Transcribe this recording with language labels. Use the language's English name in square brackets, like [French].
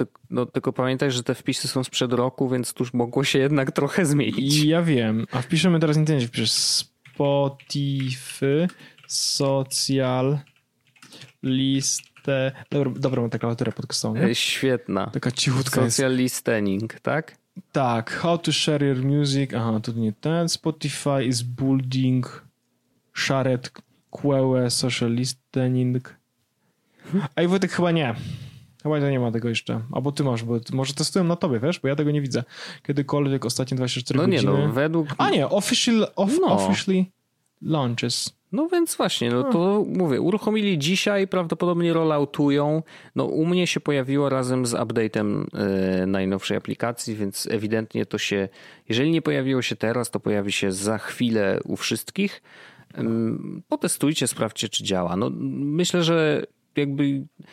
[Polish] No tylko pamiętaj, że te wpisy są sprzed roku, więc tuż mogło się jednak trochę zmienić. Ja wiem, a wpiszemy teraz internet, wpisz Spotify social listę. Dobra, mam tę klawiaturę podcastową. Świetna. Taka cichutka jest. Social listening, tak? [English] Tak, how to share your music. [Polish] Aha, to nie ten. [English] Spotify is building shared QE social listening. [Polish] A i Wojtek, chyba nie. Chyba nie ma tego jeszcze. Albo ty masz, bo może testują na tobie, wiesz? Bo ja tego nie widzę. Kiedykolwiek ostatnie 24 godziny. No nie, no według... A nie, [English] officially launches. [Polish] No więc właśnie, no to mówię, uruchomili dzisiaj, prawdopodobnie rolloutują. No u mnie się pojawiło razem z update'em najnowszej aplikacji, więc ewidentnie to się, jeżeli nie pojawiło się teraz, to pojawi się za chwilę u wszystkich. Potestujcie, sprawdźcie, czy działa. No myślę, że jakby...